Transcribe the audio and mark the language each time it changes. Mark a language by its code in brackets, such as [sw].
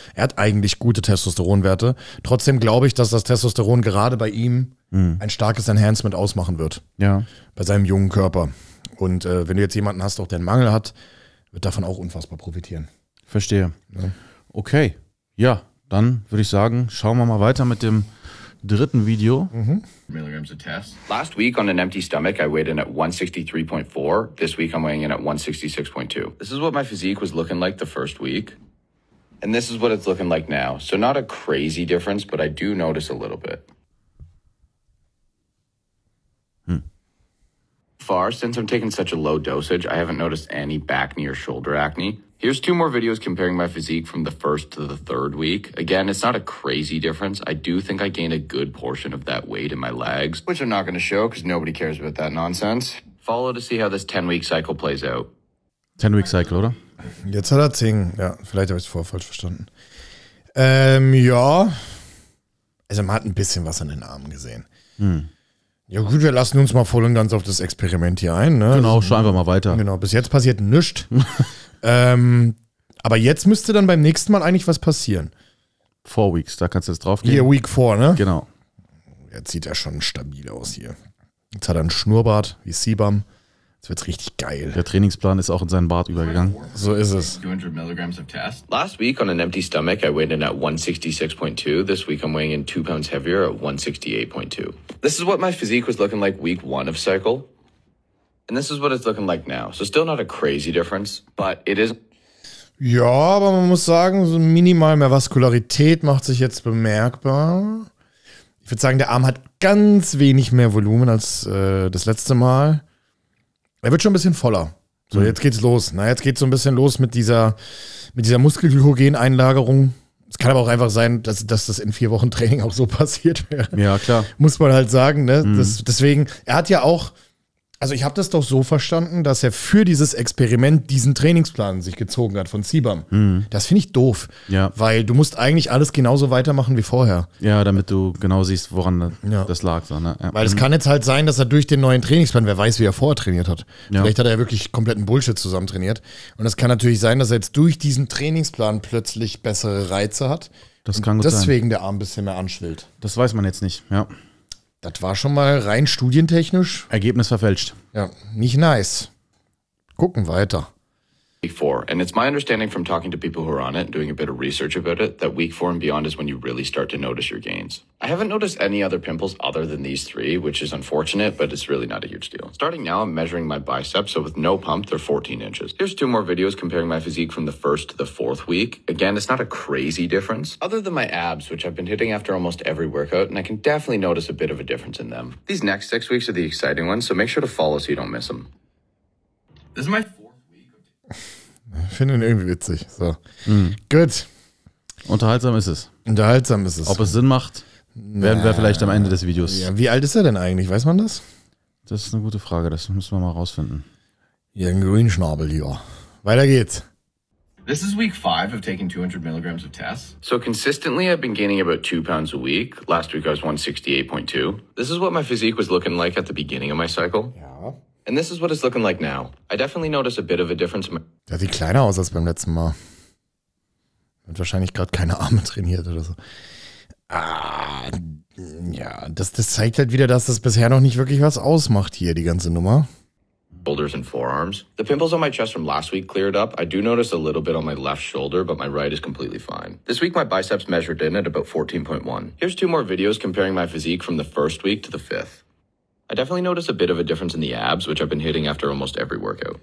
[de] Er hat eigentlich gute Testosteronwerte. Trotzdem glaube ich, dass das Testosteron gerade bei ihm ein starkes Enhancement ausmachen wird. Ja. Bei seinem jungen Körper. Und wenn du jetzt jemanden hast, auch der einen Mangel hat, wird davon auch unfassbar profitieren. Verstehe. Ja. Okay. Ja, dann würde ich sagen, schauen wir mal weiter mit dem dritten Video. [en] Milligrams of test. Last week on an empty stomach, I weighed in at 163.4. This week, I'm weighing in at 166.2. This is what my physique was looking like the first week. And this is what it's looking like now. So not a crazy difference, but I do notice a little bit. Far since I'm taking such a low dosage, I haven't noticed any back, knee, or shoulder acne. Here's two more videos comparing my physique from the first to the third week. Again, it's not a crazy difference. I do think I gained a good portion of that weight in my legs, which I'm not going to show because nobody cares about that nonsense. Follow to see how this 10-week cycle plays out. 10-week cycle, oder? [de] Jetzt hat er 10. Ja, vielleicht habe ich es vorher falsch verstanden. Ja. Also man hat ein bisschen was an den Armen gesehen. Ja gut, wir lassen uns mal voll und ganz auf das Experiment hier ein. Ne? Genau, schauen wir mal weiter. Genau, bis jetzt passiert nichts. aber jetzt müsste dann beim nächsten Mal eigentlich was passieren. 4 Weeks, da kannst du jetzt drauf gehen. Hier, Week 4, ne? Genau. Jetzt sieht er schon stabil aus hier. Jetzt hat er einen Schnurrbart wie Sebum. Jetzt wird's richtig geil. Der Trainingsplan ist auch in seinen Bart übergegangen. So ist es. [en] 200 milligrams of test. Last week on an empty stomach, I weighed in at 166.2. This week I'm weighing in 2 pounds heavier at 168.2. This is what my physique was looking like week 1 of cycle. And this is what it's looking like now. So still not a crazy difference, but it is. [de] Ja, aber man muss sagen, so minimal mehr Vaskularität macht sich jetzt bemerkbar. Ich würde sagen, der Arm hat ganz wenig mehr Volumen als das letzte Mal. Er wird schon ein bisschen voller. So, jetzt geht's los. Na, jetzt geht's so ein bisschen los mit dieser Muskelglykogeneinlagerung. Es kann aber auch einfach sein, dass das in 4 Wochen Training auch so passiert wäre. Ja, klar. Muss man halt sagen, ne? Deswegen, er hat ja auch, also ich habe das doch so verstanden, dass er für dieses Experiment diesen Trainingsplan sich gezogen hat von Sebum. Das finde ich doof. Ja. Weil du musst eigentlich alles genauso weitermachen wie vorher. Ja, damit du genau siehst, woran das lag. So, ne? Ja. Weil es kann jetzt halt sein, dass er durch den neuen Trainingsplan, wer weiß, wie er vorher trainiert hat. Ja. Vielleicht hat er ja wirklich kompletten Bullshit zusammen trainiert. Und es kann natürlich sein, dass er jetzt durch diesen Trainingsplan plötzlich bessere Reize hat. Das kann gut deswegen sein. Deswegen der Arm ein bisschen mehr anschwillt. Das weiß man jetzt nicht, ja. Das war schon mal rein studientechnisch. Ergebnis verfälscht. Ja, nicht nice. Gucken weiter. [en] Week 4. And it's my understanding from talking to people who are on it and doing a bit of research about it, that week 4 and beyond is when you really start to notice your gains. I haven't noticed any other pimples other than these three, which is unfortunate, but it's really not a huge deal. Starting now, I'm measuring my biceps, so with no pump, they're 14 inches. Here's two more videos comparing my physique from the first to the fourth week. Again, it's not a crazy difference. Other than my abs, which I've been hitting after almost every workout, and I can definitely notice a bit of a difference in them. These next 6 weeks are the exciting ones, so make sure to follow so you don't miss them. This is my [de] finde ihn irgendwie witzig. So. Gut. Unterhaltsam ist es. Unterhaltsam ist es. Ob es Sinn macht, werden wir vielleicht am Ende des Videos. Ja, wie alt ist er denn eigentlich? Weiß man das? Das ist eine gute Frage. Das müssen wir mal rausfinden. Ja, ein Grünschnabel hier. Weiter geht's. [en] This is week 5 of taking 200 milligrams of tests. So consistently I've been gaining about 2 pounds a week. Last week I was 168.2. This is what my physique was looking like at the beginning of my cycle. [de] Ja. [en] And this is what it's looking like now. I definitely notice a bit of a difference. [de] Der sieht kleiner aus als beim letzten Mal. Hat wahrscheinlich gerade keine Arme trainiert oder so. Ja, das zeigt halt wieder, dass das bisher noch nicht wirklich was ausmacht hier, die ganze Nummer. [en] Shoulders and forearms. The pimples on my chest from last week cleared up. I do notice a little bit on my left shoulder, but my right is completely fine. This week my biceps measured in at about 14.1. Here's two more videos comparing my physique from the first week to the fifth. I definitely notice a bit of a difference in the abs, which I've been hitting after almost every workout.